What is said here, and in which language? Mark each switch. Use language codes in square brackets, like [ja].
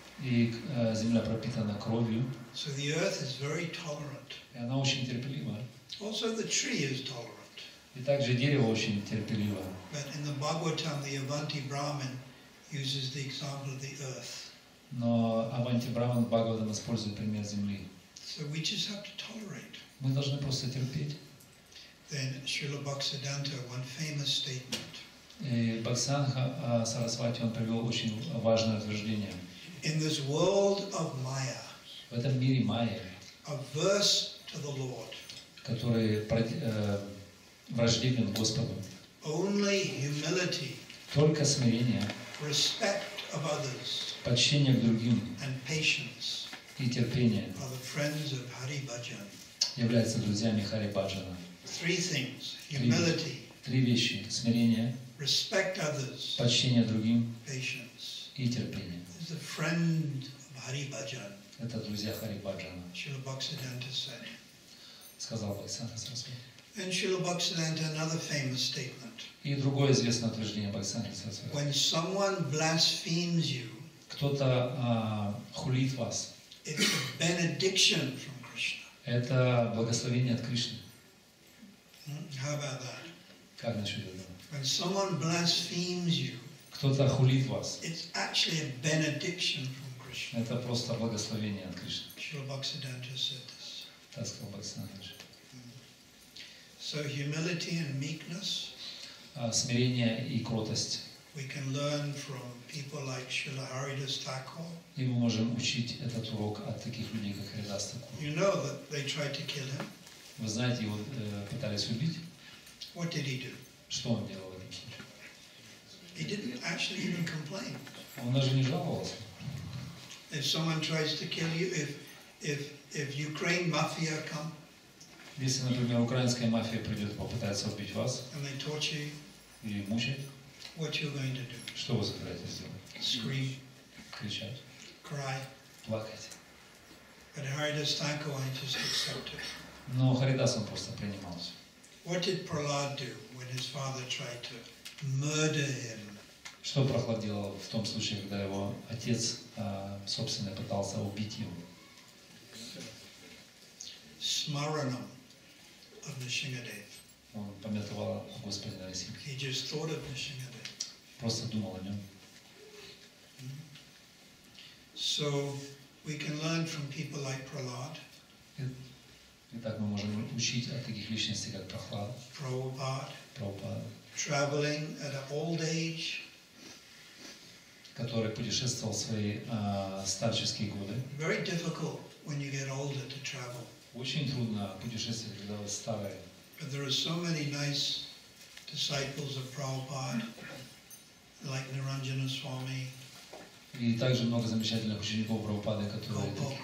[ru] И земля пропитана кровью. [en] So the earth is very tolerant. [ru] И она очень терпелива. [en] Also the tree is tolerant. [ru] И также дерево очень терпеливо. [en] But in the Bhagavatam, the Avanti Brahman uses the example of the earth. [ru] Но Аванти Брахман Бхагаватам использует пример земли. [en] So we just have to tolerate. [ru] Мы должны просто терпеть. [en] Then Srila Bhaktisiddhanta, one famous statement. [ru] Бхактисиддханта Сарасвати, он привел очень важное утверждение. [en] In this world of Maya, [ru] в этом мире Майя, [en] averse to the Lord, [ru] который враждебен Господу, [en] only humility, [ru] только смирение, [en] respect of others, [ru] подчинение к другим, [en] and patience, [ru] и терпение, [en] are the friends of Hari Bhajan, [ru] являются друзьями Хари Бхаджана. [en] Three things: humility, [ru] три вещи, смирение, [en] respect others, [ru] почтение другим, [en] patience, [ru] и терпение. [en] It's a friend of Hari Bhajan. [ru] Это друзья Хари Бхаджана. [en] Srila Bhaktisiddhanta said. [ru] Сказал Бхактисиддханта Сарасвати. [en] And Srila Bhaktisiddhanta, another famous statement. [ru] И другое известное утверждение Бхактисиддханта Сарасвати. [en] When someone blasphemes you, [ru] кто-то хулит вас. [en] It's a benediction from Krishna. [ru] Это благословение от Кришны. [en] How about that? [ru] Как насчет этого? [en] When someone blasphemes you, [ru] кто-то хулит вас. [en] It's actually a benediction from Krishna. [ru] Это просто благословение от Кришны. [en] Srila Bhaktisiddhanta said this. [ru] Так сказал Бхактисиддханта. [en] So humility and meekness. [ru] Смирение и кротость. [en] We can learn from people like Srila Haridas Thakur. [ru] И мы можем учить этот урок от таких людей, как Харидас Такур. [en] You know that they tried to kill him. [ru] Вы знаете, его пытались убить. [en] What did he do? [ru] Что он делал в этом случае? [en] He didn't actually even complain. [ru] Он даже не жаловался. [en] If someone tries to kill you, if Ukraine mafia come, [ru] если, например, украинская мафия придет, попытается убить вас, [en] and they torture you, [ru] и мучает, [en] what you're going to do? [ru] Что вы собираетесь сделать? [en] Scream. [ru] Кричать. [en] Cry. [ru] Плакать. [en] But Haridas Thakur, I just accepted. [ru] Но Харидас он просто принимался. [en] What did Prahlad do when his father tried to murder him? [ru] Что Прохлад делал в том случае, когда его отец, собственно, пытался убить его? [en] Smaranam of Nrisimhadev. [ru] Он памятовал Господа Нрисимху. [en] He just thought of Nrisimhadev. [ru] Просто думал о нем. [en] So we can learn from people like Prahlad. [ru] Итак, мы можем учить от таких личностей, как Прохлад, [en] Прабхупад, traveling at an old age, [ru] который путешествовал в свои старческие годы. [en] Very difficult when you get older to travel. [ru] Очень трудно путешествовать, когда вы старые. [en] But there are so many nice disciples of Prabhupada, like Niranjana Swami. [ru] И также много замечательных учеников Прабхупады, которые